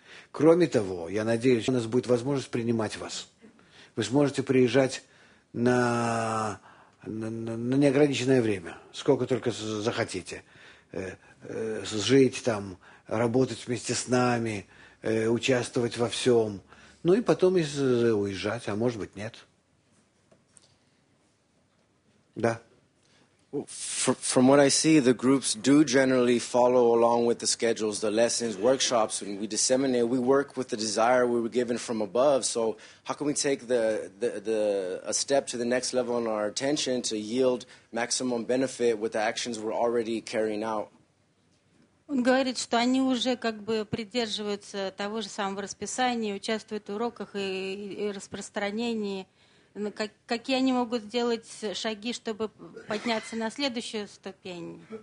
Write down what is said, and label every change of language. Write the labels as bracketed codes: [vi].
[ru] Кроме того, я надеюсь, у нас будет возможность принимать вас. Вы сможете приезжать на неограниченное время, сколько только захотите. Жить там, работать вместе с нами, участвовать во всем. Ну и потом уезжать, а может быть нет. Да. [en] From what I see, the groups do generally follow along with the schedules, the lessons, workshops, and we disseminate. We work with the desire we were given from above. So how can we take a step to the next level in our attention to yield maximum benefit with the actions we're already carrying out? [ru] Он говорит, что они уже как бы придерживаются того же самого расписания, участвуют в уроках и распространении. Какие они могут сделать шаги, чтобы подняться на следующую ступень?